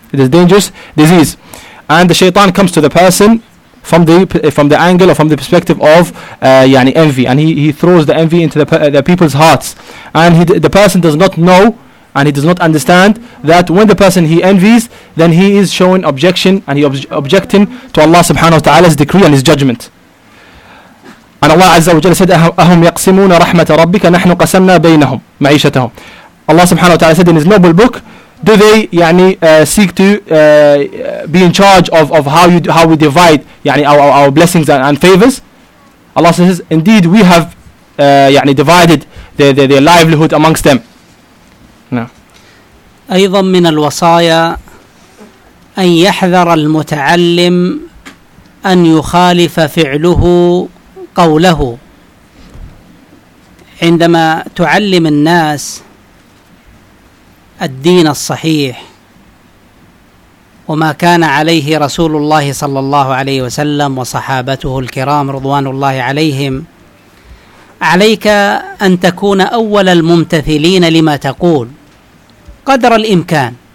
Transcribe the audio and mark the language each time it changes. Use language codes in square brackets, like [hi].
[en] It is a dangerous disease. And the shaitan comes to the person from the angle or from the perspective of envy, and he throws the envy into the people's hearts, and the person does not know and he does not understand that when the person he envies, then he is showing objection and he objecting to Allah subhanahu wa ta'ala's decree and his judgment. And Allah azza wa jalla said, [ar] أَهُمْ يَقْسِمُونَ رَحْمَةَ رَبِّكَ نَحْنُ قَسَمْنَا بَيْنَهُمْ مَعِيشَتَهُمْ. [en] Allah subhanahu wa ta'ala said in his noble book, do they seek to be in charge of how we divide our blessings and favors? Allah says, indeed we have divided their livelihood amongst them. [ar] أيضا من الوصايا أن يحذر المتعلم أن يخالف فعله قوله. عندما تعلم الناس الدين الصحيح وما كان عليه رسول الله صلى الله عليه وسلم وصحابته الكرام رضوان الله عليهم، عليك أن تكون أول الممتثلين لما تقول قدر الإمكان.